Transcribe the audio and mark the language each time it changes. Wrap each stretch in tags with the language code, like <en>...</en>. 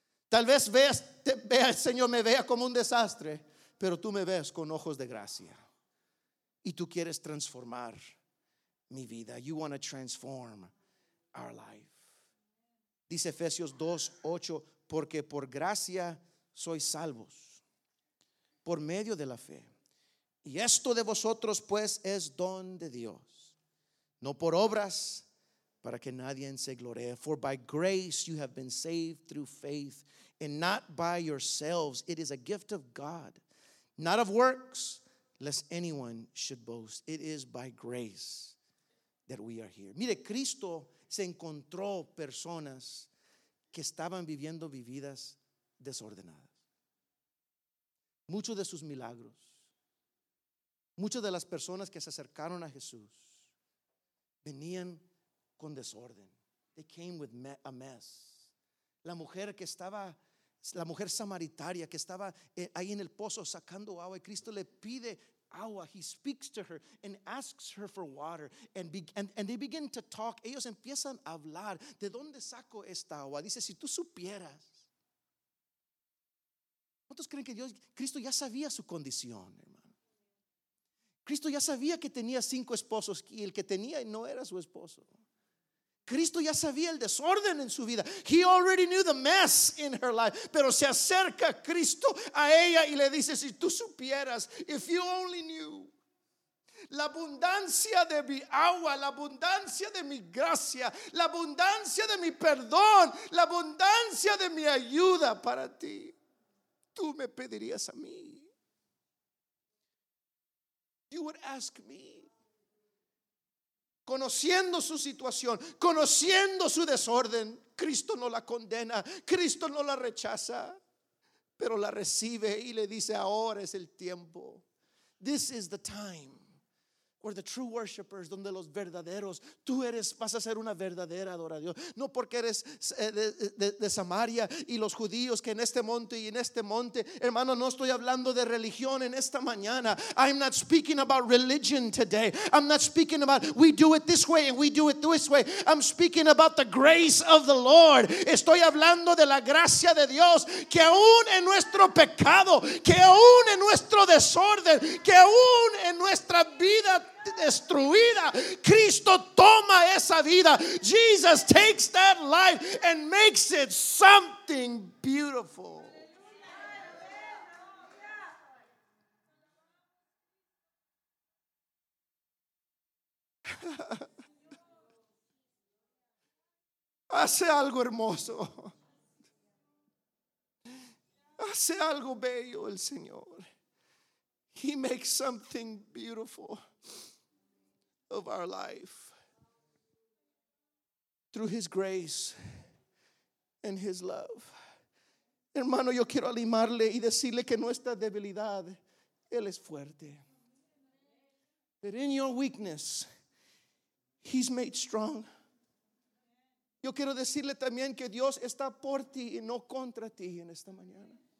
<es>Tal vez veas, el Señor me vea como un desastre, pero tú me ves con ojos de gracia. Y tú quieres transformar mi vida.</es> <en>You want to transform our life.</en> <es>Dice Efesios 2:8, porque por gracia sois salvos, por medio de la fe. Y esto de vosotros, pues, es don de Dios, no por obras, para que nadie se gloree.</es> <en>For by grace you have been saved through faith, and not by yourselves. It is a gift of God, not of works, lest anyone should boast. It is by grace that we are here.</en> <es>Mire, Cristo se encontró personas que estaban viviendo vidas desordenadas. Muchos de sus milagros, muchas de las personas que se acercaron a Jesús venían con desorden.</es> <en>They came with a mess.</en> <es>La mujer que estaba, la mujer samaritana que estaba ahí en el pozo sacando agua, y Cristo le pide agua.</es> <en>He speaks to her and asks her for water, and they begin to talk.</en> <es>Ellos empiezan a hablar. ¿De dónde saco esta agua? Dice, si tú supieras. ¿Cuántos creen que Dios, Cristo ya sabía su condición, hermano? Cristo ya sabía que tenía 5 esposos y el que tenía no era su esposo. Cristo ya sabía el desorden en su vida.</es> <en>He already knew the mess in her life.</en> <es>Pero se acerca Cristo a ella y le dice, si tú supieras,</es> <en>if you only knew,</en> <es>la abundancia de mi agua, la abundancia de mi gracia, la abundancia de mi perdón, la abundancia de mi ayuda para ti, tú me pedirías a mí.</es> <en>You would ask me.</en> <es>Conociendo su situación, conociendo su desorden, Cristo no la condena, Cristo no la rechaza, pero la recibe y le dice, ahora es el tiempo.</es> <en>This is the time where the true worshipers,</en> <es>donde los verdaderos, tú eres, vas a ser una verdadera adoradora a Dios. No porque eres de Samaria y los judíos que en este monte y en este monte, hermano, no estoy hablando de religión en esta mañana.</es> <en>I'm not speaking about religion today. I'm not speaking about we do it this way and we do it this way. I'm speaking about the grace of the Lord.</en> <es>Estoy hablando de la gracia de Dios, que aún en nuestro pecado, que aún en nuestro desorden, que aún en nuestra vida destruida, Cristo toma esa vida.</es> <en>Jesus takes that life and makes it something beautiful.</en> <es>Hace algo hermoso. Hace algo bello el Señor.</es> <en>He makes something beautiful of our life through his grace and his love.</en> <es>Hermano, yo quiero animarle y decirle que nuestra debilidad, él es fuerte.</es> <en>But in your weakness, he's made strong.</en> <es>Yo quiero decirle también que Dios está por ti y no contra ti en esta mañana.</es>